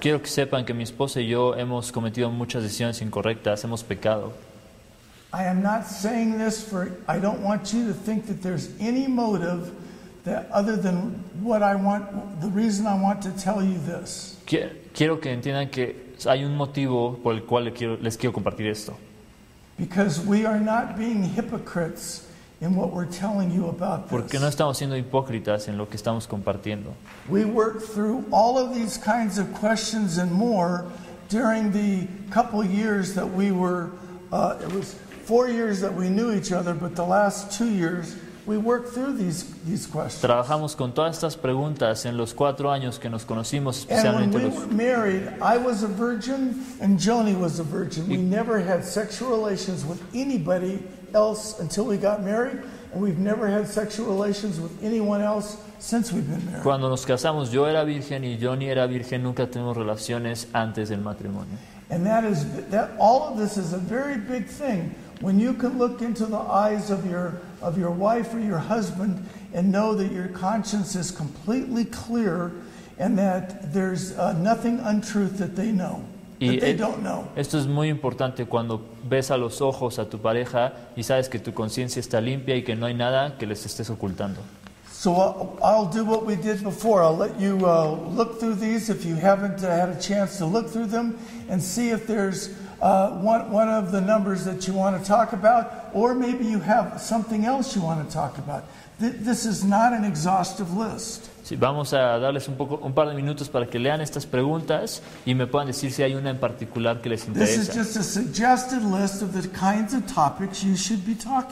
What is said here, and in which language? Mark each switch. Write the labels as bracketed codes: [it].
[es] Quiero que sepan que mi esposa y yo hemos cometido muchas decisiones incorrectas, hemos pecado. [en] I am not saying this for, I don't want you to think that there's any motive that other than what I want, the reason I want to tell you this. [es] Quiero que entiendan que hay un motivo por el cual les quiero compartir esto. [en] Because we are not being hypocrites in what we're telling you about this. [es] Porque no estamos siendo hipócritas en lo que estamos compartiendo. [en] We worked through all of these kinds of questions and more during the couple years that we were, it was 4 years that we knew each other, but the last 2 years, we worked through these questions. [es] Trabajamos con todas estas preguntas en los 4 años que nos conocimos, especialmente los. [en] And when were married, I was a virgin and Joni was a virgin. We never had sexual relations with anybody else until we got married, and we've never had sexual relations with anyone else since we've been married. [es] Cuando nos casamos, yo era virgen y Joni era virgen. Nunca tuvimos relaciones antes del matrimonio. [en] And that all of this is a very big thing. When you can look into the eyes of your wife or your husband and know that your conscience is completely clear and that there's nothing untruth that they know, don't know. [es] Esto es muy importante cuando ves a los ojos a tu pareja y sabes que tu conciencia está limpia y que no hay nada que les estés ocultando. [en] So I'll do what we did before. I'll let you look through these if you haven't had a chance to look through them and see if there's one of the numbers that you want to talk about, or maybe you have something else you want to talk about. This is not an exhaustive list. [es] Sí, vamos a darles un par de minutos para que lean estas preguntas y me puedan decir si hay una en particular que les interesa. [en] This is just a suggested list of the kinds of topics you should be talking